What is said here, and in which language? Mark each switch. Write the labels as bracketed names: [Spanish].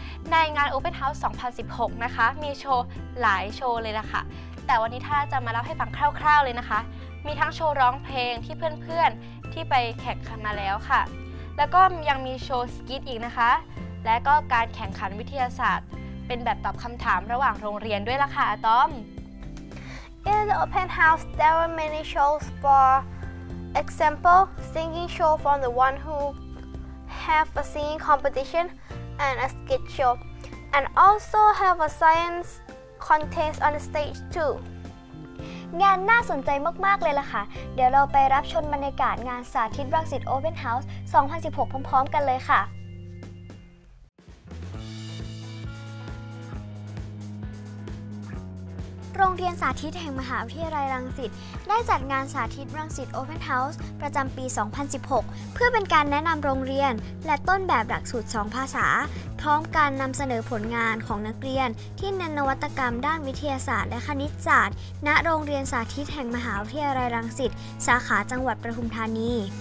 [Thai] ในงาน Open House 2016นะคะมีโชว์หลายโชว์เลยล่ะค่ะแต่วันนี้ทาร่าจะมาเล่าให้ฟังคร่าวๆเลยนะคะมีทั้งโชว์ร้องเพลงที่เพื่อนๆที่ไปแข่งขันมาแล้วค่ะแล้วก็ยังมีโชว์สกีอีกนะคะ และก็การแข่งขันวิทยาศาสตร์เป็นแบบตอบคำถามระหว่างโรงเรียนด้วยล่ะค่ะอตอม [English] In the open house there were many shows for example singing show from the one who have a singing competition and a skit show and also have a scienceContest on the stage too. [Thai] งานน่าสนใจมากๆเลยล่ะค่ะเดี๋ยวเราไปรับชมบรรยากาศงานสาธิตรังสิต Open House 2016พร้อมๆกันเลยค่ะ โรงเรียนสาธิตแห่งมหาวิทยาลัยรังสิตได้จัดงานสาธิตรังสิต Open House ประจำปี2016เพื่อเป็นการแนะนำโรงเรียนและต้นแบบหลักสูตร2ภาษาพร้อมการนำเสนอผลงานของนักเรียนที่เน้นนวัตกรรมด้านวิทยาศาสตร์และคณิตศาสตร์ณโรงเรียนสาธิตแห่งมหาวิทยาลัยรังสิตสาขาจังหวัดปทุมธานี